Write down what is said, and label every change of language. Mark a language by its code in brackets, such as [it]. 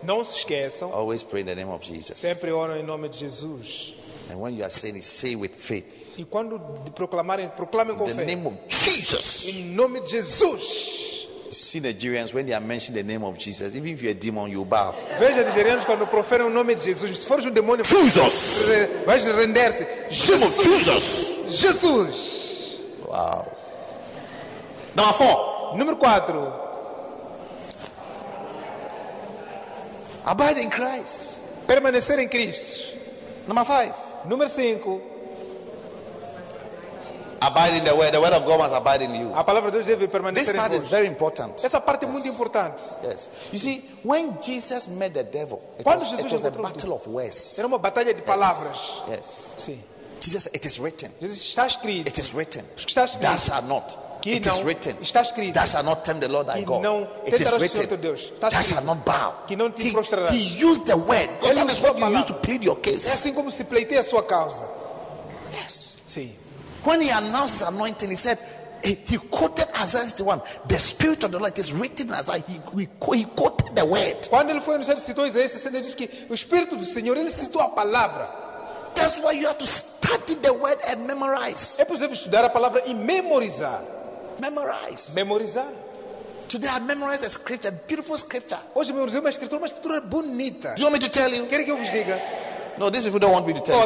[pt] Não se esqueçam. [en] Always pray in the name of Jesus. [pt] Sempre oro em nome de Jesus. [en] And when you are saying it, say with faith. [pt] E quando proclamarem, proclamem com fé. [en] In the name of Jesus. [pt] Em nome de Jesus. [en] You see Nigerians when they are mentioning the name of Jesus, even if you're a demon, you bow. [pt] Veja Nigerians quando proferem o nome de Jesus, se for um demônio, Jesus. Vai render-se. Jesus. Jesus. Jesus. [en] Wow. Number 4. [pt] Número 4. [en] Abide in Christ. [pt] Permanecer em Cristo. [en] Number 5. [pt] Número 5. [en] Abide in the word. The word of God must abide in you. [pt] A palavra de Deus deve permanecer em vós. [en] This part is very important. [pt] Essa parte é muito importante. [en] Yes. You see, when Jesus met the devil, it was a battle of words. [pt] Era uma batalha de palavras. [en] Yes. [pt] Sim. [en] Jesus, it is written. [pt] Jesus, está escrito. [en] It is written. [pt] Está escrito. [en] Thou shalt not. It is written. [pt] Está escrito. [en] Thou shalt not tempt the Lord thy God. It is written. Thou shalt not bow. [pt] Que não te prostrarás. [en] He used the word. God is what you used to plead your case. [pt] É assim como se pleiteia a sua causa. [en] Yes. [pt] Sim. [en] When he announced his anointing, he said, he quoted Isaiah 61, the Spirit of the Lord is written as I, he quoted the word. [pt] Quando ele foi anunciado, citou Isaías 61, ele disse que o Espírito do Senhor, ele citou a palavra. [en] That's why you have to study the word and memorize. [pt] É possível estudar a palavra e memorizar. [en] Memorize. [pt] Memorizar. [en] Today I memorized a scripture, a beautiful scripture. [pt] Hoje memorizei uma escritura bonita. [en] Do you want me to tell you? [pt] Quer que eu vos diga? [en] No, these people don't want me to tell,